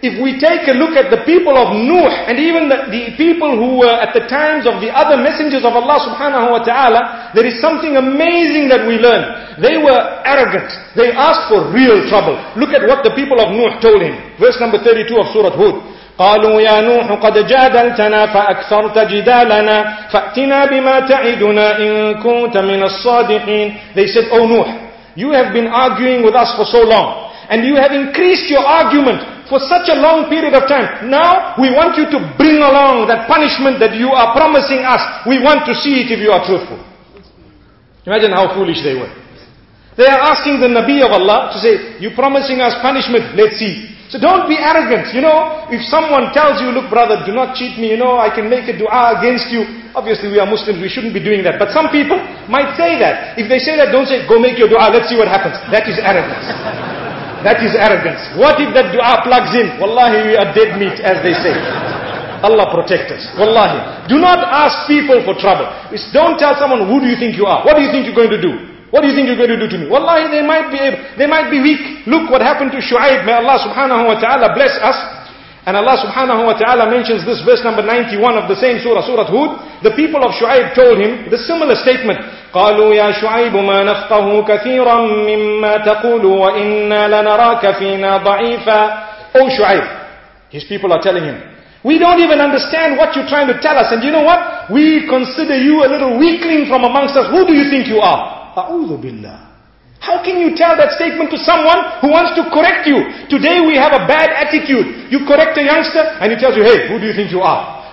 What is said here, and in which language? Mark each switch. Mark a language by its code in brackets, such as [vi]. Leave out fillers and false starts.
[en] if we take a look at the people of Nuh and even the people who were at the times of the other messengers of Allah subhanahu wa ta'ala, there is something amazing that we learn. They were arrogant. They asked for real trouble. Look at what the people of Nuh told him. Verse number 32 of Surah Hud. [ar] قالوا يا نوح قد جادلتنا فأكثرت جدالنا فأتنا بما تعدنا إن كنت من الصادقين. [en] They said, O Nuh, you have been arguing with us for so long, and you have increased your argument for such a long period of time. Now we want you to bring along that punishment that you are promising us. We want to see it if you are truthful. Imagine how foolish they were. They are asking the Nabi of Allah to say, you're promising us punishment, let's see. So don't be arrogant. You know, if someone tells you, look brother, do not cheat me, you know, I can make a dua against you. Obviously we are Muslims, we shouldn't be doing that. But some people might say that. If they say that, don't say, go make your dua, let's see what happens. That is arrogance. That is arrogance. What if that dua plugs in? Wallahi, we are dead meat, as they say. Allah protect us. Wallahi. Do not ask people for trouble. Don't tell someone, who do you think you are? What do you think you're going to do? What do you think you're going to do to me? Wallahi, they might be able, they might be weak. Look what happened to Shu'aib. May Allah subhanahu wa ta'ala bless us. And Allah subhanahu wa ta'ala mentions this verse number 91 of the same surah, Surah Hud. The people of Shu'aib told him the similar statement. [ar] قالوا يا شعيب ما نفقه كثيرا مما تقول وإنا لنراك فينا ضعيفا. [en] O Shu'aib, his people are telling him, we don't even understand what you're trying to tell us. And you know what? We consider you a little weakling from amongst us. Who do you think you are? A'udhu billah. How can you tell that statement to someone who wants to correct you? Today we have a bad attitude. You correct a youngster and he tells you, hey, who do you think you are?